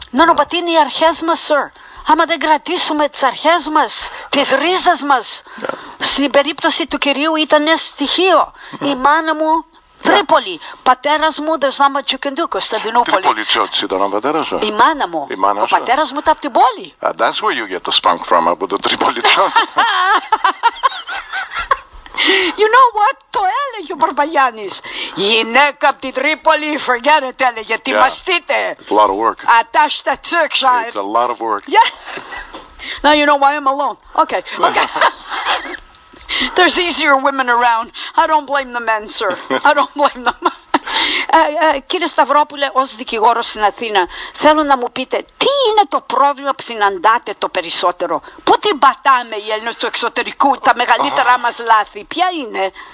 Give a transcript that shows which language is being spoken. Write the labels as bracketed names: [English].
[English] No, but [Greek] είναι οι αρχές μας, sir. Άμα δεν κρατήσουμε τις αρχές μας, τις ρίζες μας, στην περίπτωση του κυρίου ήταν στοιχείο. Η μάνα μου, Τρίπολη. Πατέρας μου, [English] there's not much you can do, [Greek] Κωνσταντινούπολη. Τρίπολη Τσιώτης ήταν ο πατέρας σου. Η μάνα μου. Η μάνα ο πατέρας μου ήταν από την πόλη. [English] That's where you get the spunk from, [Greek] από το Τρίπολη Τσιώτη. [English] You know what, [Greek] το έλεγε ο Μπαρμπαγιάννης. Γυναίκα από την Τρίπολη, [English] forget it, [Greek] έλεγε, τιμαστείτε. [English] A lot of work. Attach that church sign. It's a lot of work. Yeah. Now you know why I'm alone. Okay, okay. There's easier women around. I don't blame the men, sir. I don't blame them. [Greek] Κύριε Σταυρόπουλε, ως δικηγόρος στην Αθήνα, θέλω να μου πείτε τι είναι το πρόβλημα που συναντάτε το περισσότερο. Πού την πατάμε οι Έλληνες του εξωτερικού, τα μεγαλύτερα μας λάθη, ποια είναι?